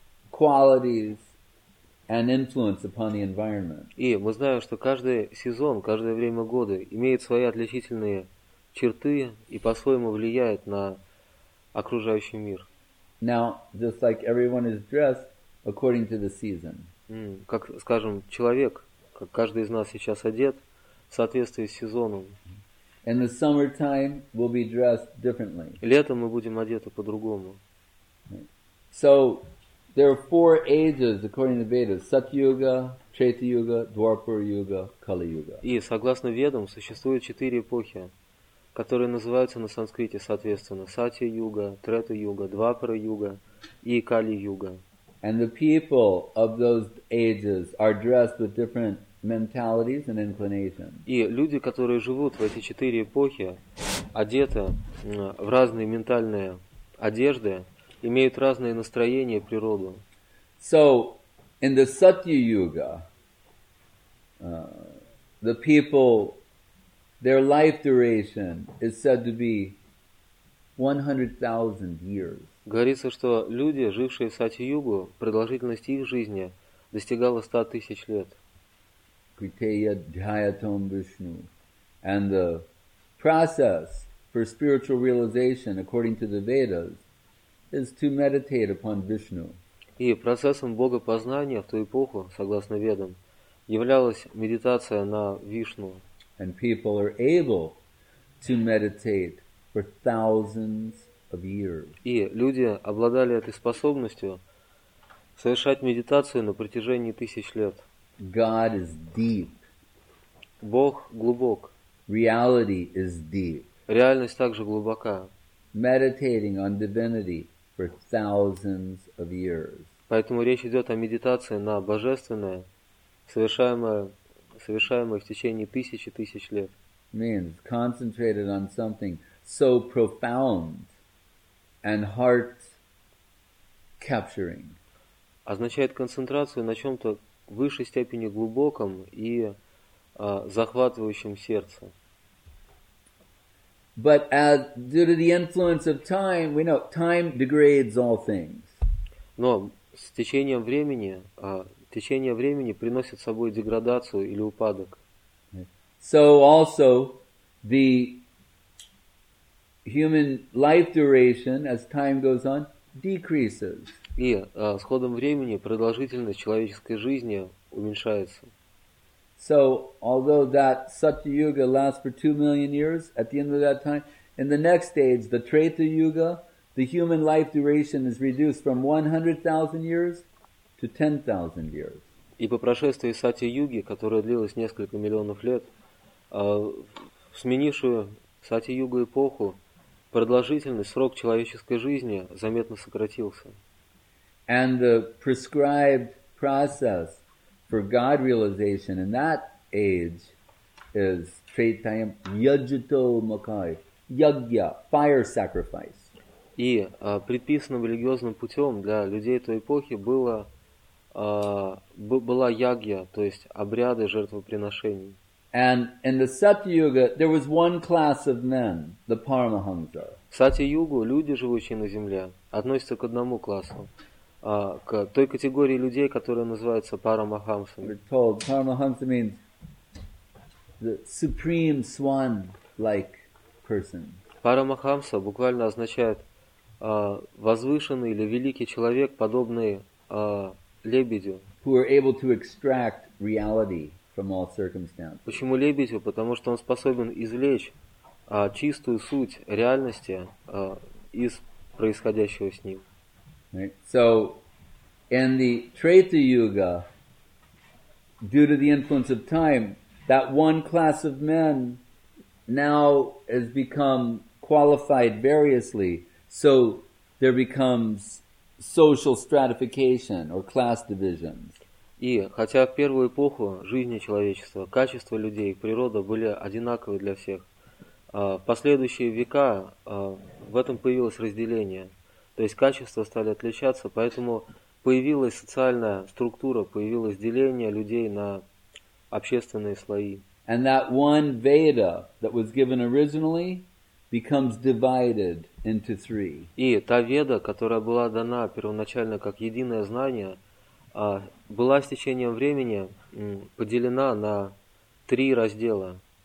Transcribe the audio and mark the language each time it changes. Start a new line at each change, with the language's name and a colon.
English: qualities and influence upon the environment.
Russian: И мы знаем, что каждый сезон, каждое время года имеет свои отличительные черты и по-своему влияет на окружающий мир.
English: Now, just like everyone is dressed according to the season.
Russian: Как, скажем, человек, как каждый из нас сейчас одет в соответствии с сезоном.
English: In the summertime, we'll be dressed differently.
Russian: Летом мы будем одеты по-другому.
English: So there are four ages according to Vedas: Satyuga, Treta Yuga, Dwapara Yuga, Kali Yuga.
Russian: И согласно Ведам существует четыре эпохи, которые называются на санскрите соответственно: Сатья Юга, Трета Юга, Двапара Юга и Кали Юга.
English: And the people of those ages are dressed with different mentalities and inclinations.
Russian: И люди, которые живут в эти четыре эпохи, одеты в разные ментальные одежды, имеют разные настроения и природу.
English: So, in the Satya Yuga, the people, their life duration is said to be 100,000 years.
Russian: Говорится, что люди, жившие в Сатья Югу, продолжительность их жизни достигала 100,000 лет.
Sanskrit: Критея Дхайатам Вишну.
English: And the process for spiritual realization, according to the Vedas, is to meditate upon Vishnu.
Russian: И процессом богопознания в ту эпоху, согласно Ведам, являлась медитация на Вишну.
English: And people are able to meditate for thousands of years.
Russian: И люди обладали этой способностью совершать медитацию на протяжении тысяч лет.
English: God is deep.
Russian: Бог глубок.
English: Reality is deep.
Russian: Реальность также глубока.
English: Meditating on divinity for thousands of years.
Russian: Поэтому речь идет о медитации на божественное, совершаемое в течение тысячи тысяч лет.
English: Means concentrated on something so profound and heart capturing.
Russian: Означает концентрацию на чем-то в высшей степени глубоком и захватывающем сердце.
English: But as due to the influence of time, we know time degrades all things.
Russian: Но с течением времени, течение времени приносит с собой деградацию или упадок.
English: So also the human life duration as time goes on decreases.
Russian: И с ходом времени продолжительность человеческой жизни уменьшается.
English: So, although that Satya Yuga lasts for 2 million years, at the end of that time, in the next age, the Treta Yuga, the human life duration is reduced from 100,000 years to 10,000 years.
Russian: И по прошествии Сатья Юги, которая длилась несколько миллионов лет, в сменившую Сатья Юга эпоху, продолжительность, срок человеческой жизни заметно сократился.
English: And the prescribed process for God realization in that age is
Sanskrit: Treta Yajito Makai,
English: Yagya, fire sacrifice.
Russian: И предписанным религиозным путем для людей той эпохи было была Ягья, то есть обряды жертвоприношений.
English: And in the Satyayuga, there was one class of men, the Paramahamsa.
Russian: В Сатья-югу люди, живущие на земле, относятся к одному классу. К той категории людей, которая называется парамахамсами.
English: We're told парамахамса means the supreme swan-like person.
Russian: Парамахамса буквально означает возвышенный или великий человек, подобный лебедю.
English: Who are able to extract reality from all circumstances.
Russian: Почему лебедю? Потому что он способен извлечь чистую суть реальности из происходящего с ним.
English: Right. So, in the Treta Yuga, due to the influence of time, that one class of men now has become qualified variously, so there becomes social stratification or class divisions.
Russian: И хотя в первую эпоху жизни человечества качества людей и природа были одинаковы для всех, в последующие века в этом появилось разделение. То есть качества стали отличаться, поэтому появилась социальная структура, появилось деление людей на общественные слои.
English: And that one Veda that was given originally becomes divided into three.
Russian: И та веда, которая была дана первоначально как единое знание, была с течением времени поделена на три раздела.